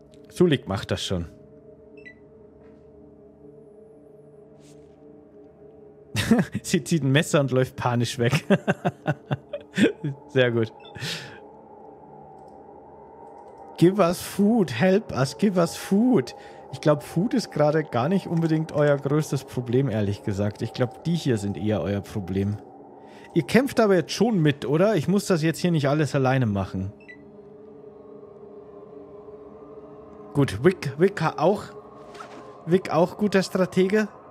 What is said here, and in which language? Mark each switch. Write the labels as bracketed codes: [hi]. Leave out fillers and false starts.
[de] Sulik macht das schon. Sie zieht ein Messer und läuft panisch weg. Sehr gut. [en] Give us food, help us, give us food. [de] Ich glaube, Food ist gerade gar nicht unbedingt euer größtes Problem, ehrlich gesagt. Ich glaube, die hier sind eher euer Problem. Ihr kämpft aber jetzt schon mit, oder? Ich muss das jetzt hier nicht alles alleine machen. Gut, Vic auch guter Stratege.